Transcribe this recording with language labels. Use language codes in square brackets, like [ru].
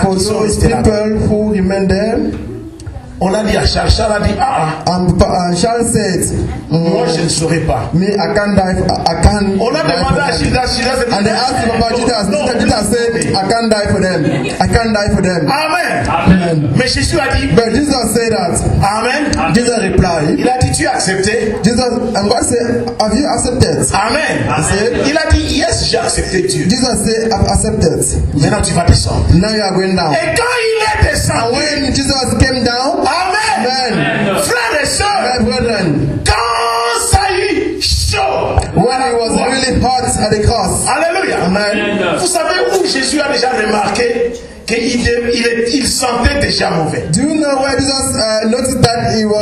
[en] For those people who remain there. [fr] On a dit à Charles, Charles a dit ah. [en] Charles said, [fr] moi je ne saurais pas. [en] Me, I can't die. I can't. [fr] On a demandé à Gildas. [en] And they asked Papa Gildas. Gildas said, I can't die for them. I can't die for them. Amen. Amen. [fr] Mais Jésus a dit. [en] But Jesus said that. Amen. Jesus replied. [fr] Il a dit, tu as accepté? [en] Jesus, and God said, have you accepted? Amen. Said, [fr] il a dit, yes, j'ai accepté Dieu. [en] Jesus said, I've accepted. [fr] Maintenant tu vas descendre. [en] Now you are going down. [fr] Et quand il est descendu. [en] And when Jesus came down. [fr] Amen. Frères et sœurs. [en] Brethren. [fr] Quand ça eut chaud. [en] When it was really hot at the cross. Alléluia. Amen. [fr] Vous savez où Jésus a déjà remarqué qu'il sentait déjà mauvais. [en] Do you know where Jesus noticed that he was?